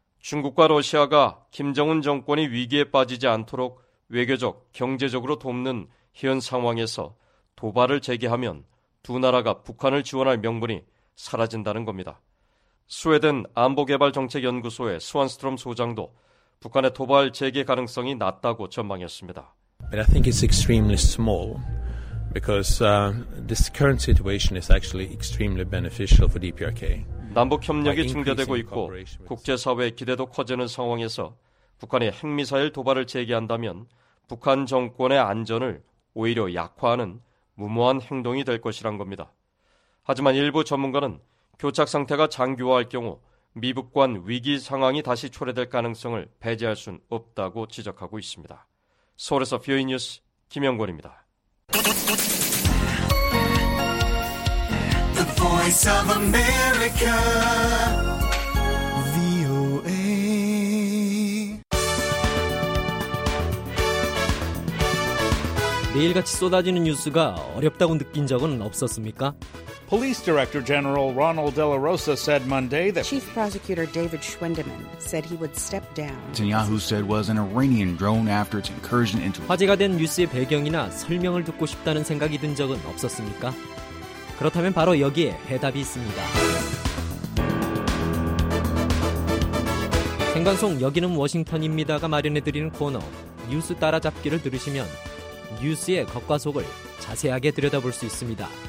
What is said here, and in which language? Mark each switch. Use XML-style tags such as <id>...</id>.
<ko>중국과 러시아가 김정은 정권이 위기에 빠지지 않도록 외교적, 경제적으로 돕는 현 상황에서 도발을 재개하면 두 나라가 북한을 지원할 명분이 사라진다는 겁니다. 스웨덴 안보개발정책연구소의 스완스트롬 소장도 북한의 도발 재개 가능성이 낮다고 전망했습니다.</ko> <en>But I think it's extremely small. Because this current situation is actually extremely beneficial for DPRK.</en> <ko>남북 협력이 증대되고 있고 국제 사회의 기대도 커지는 상황에서 북한이 핵미사일 도발을 재개한다면 북한 정권의 안전을 오히려 약화하는 무모한 행동이 될 것이란 겁니다. 하지만 일부 전문가는 교착 상태가 장기화할 경우 미북 간 위기 상황이 다시 초래될 가능성을 배제할 순 없다고 지적하고 있습니다. 서울에서 VOA 뉴스 김영권입니다.</ko> <en>Voice of America. VOA.</en> <ko>매일같이 쏟아지는 뉴스가 어렵다고 느낀 적은 없었습니까?</ko> <en>Police Director General Ronald De La Rosa said Monday that Chief Prosecutor David Schwendeman said he would step down. Netanyahu said was an Iranian drone after its incursion into</en> <ko>화제가 된 뉴스의 배경이나 설명을 듣고 싶다는 생각이 든 적은 없었습니까? 그렇다면 바로 여기에 해답이 있습니다. 생방송 여기는 워싱턴입니다가 마련해드리는 코너 뉴스 따라잡기를 들으시면 뉴스의 겉과 속을 자세하게 들여다볼 수 있습니다.</ko>